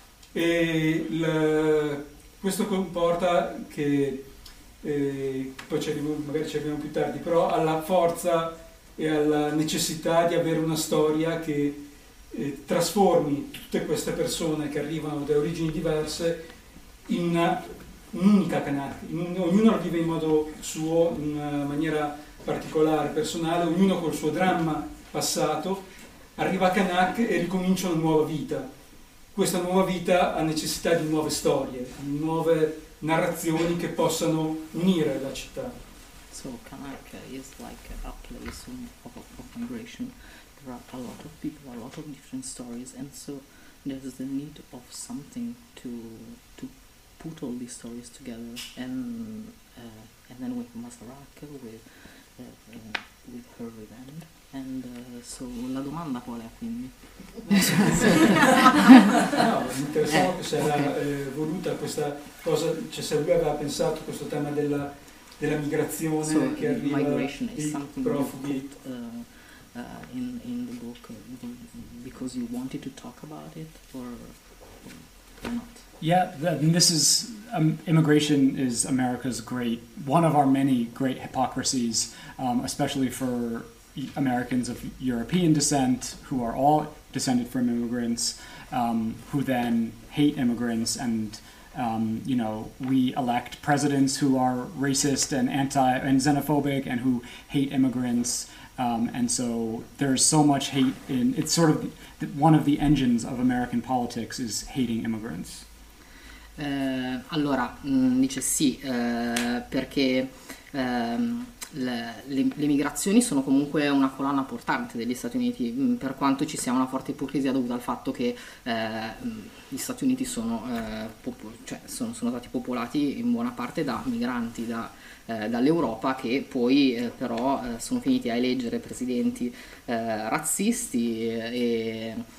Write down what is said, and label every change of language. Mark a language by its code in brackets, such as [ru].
[it] E questo comporta che, poi ci arriviamo, magari ci arriviamo più tardi, però alla forza e alla necessità di avere una storia che trasformi tutte queste persone che arrivano da origini diverse in una, un'unica Kanak, ognuno lo vive in modo suo, in una maniera particolare, personale, ognuno col suo dramma passato, arriva a Kanak e ricomincia una nuova vita. Questa nuova vita ha necessità di nuove storie, di nuove narrazioni che possano unire la città. [en] So Kanak is like a place of migration. There are a lot of people, a lot of different stories, and so there's the need of something to put all these stories together, and then with Masarrak, with her revenge. And so [it] la domanda qual è, quindi? No, mi interessava che se era voluta questa cosa, cioè se lui aveva pensato questo tema della, della migrazione, [en] so [it] che arriva [en] migration is [it] i profughi. [en] Put, in the book, because you wanted to talk about it, or not? Yeah, this is immigration is America's great, one of our many great hypocrisies, especially for Americans of European descent who are all descended from immigrants, who then hate immigrants, and you know, we elect presidents who are racist and anti and xenophobic and who hate immigrants, and so there's so much hate in it's sort of one of the engines of American politics is hating immigrants. [it] Allora, dice sì, perché le migrazioni sono comunque una colonna portante degli Stati Uniti, per quanto ci sia una forte ipocrisia dovuta al fatto che gli Stati Uniti sono, sono stati popolati in buona parte da migranti, da, dall'Europa, che poi però sono finiti a eleggere presidenti razzisti e